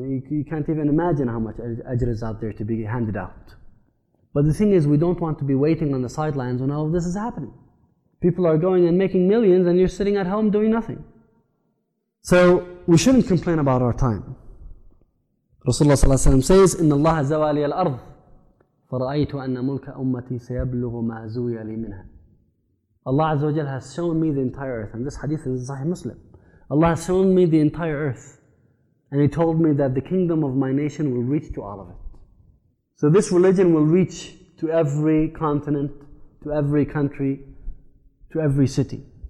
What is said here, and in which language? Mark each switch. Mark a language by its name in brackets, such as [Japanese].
[English] You can't even imagine how much ajr is out there to be handed out. But the thing is, we don't want to be waiting on the sidelines when all of this is happening. People are going and making millions and you're sitting at home doing nothing. So we shouldn't complain about our time. Rasulullah ﷺ says, [Arabic] إِنَّ اللَّهَ زَوَالِيَ الْأَرْضِ فَرَأَيْتُ أَنَّ مُلْكَ أُمَّتِي سَيَبْلُغُ مَا زُوِيَ لِي مِنْهَا. [English] Allah Azza wa Jalla has shown me the entire earth. And this hadith is in Sahih Muslim. Allah has shown me the entire earth. And He told me that the kingdom of my nation will reach to all of it. So this religion will reach to every continent, to every country, to every city.